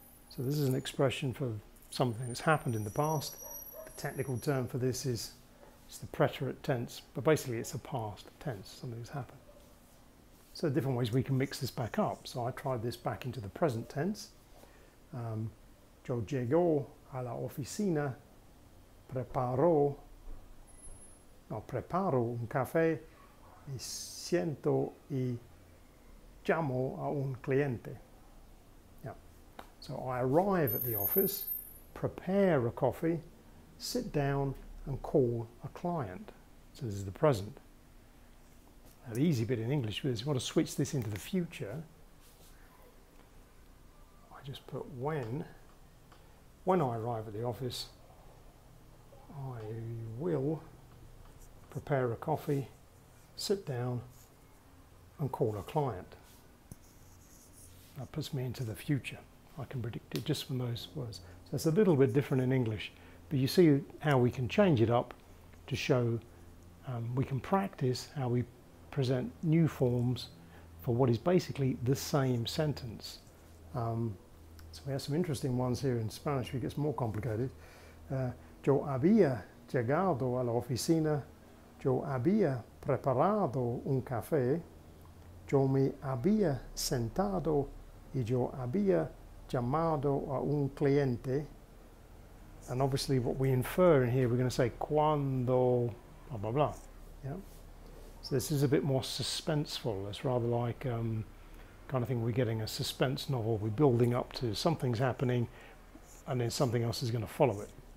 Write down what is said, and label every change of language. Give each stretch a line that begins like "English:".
English: So this is an expression for something that's happened in the past. The technical term for this is, it's the preterite tense, but basically it's a past tense, something's happened. So different ways we can mix this back up. So I tried this back into the present tense.
Spanish: Yo llego a la oficina, preparo un café, y siento y llamo a un cliente.
English: Yeah. So I arrive at the office, prepare a coffee, sit down, and call a client. So this is the present. Now the easy bit in English is you want to switch this into the future. I just put when I arrive at the office, I will prepare a coffee, sit down, and call a client. That puts me into the future. I can predict it just from those words. So it's a little bit different in English. But you see how we can change it up to show we can practice how we present new forms for what is basically the same sentence. So we have some interesting ones here in Spanish, it gets more complicated.
Spanish: Yo había llegado a la oficina, yo había preparado un café, yo me había sentado y yo había llamado a un cliente.
English: And obviously what we infer in here, we're going to say, cuando, blah, blah, blah. Yeah? So this is a bit more suspenseful. It's rather like kind of thing we're getting a suspense novel. We're building up to something's happening and then something else is going to follow it.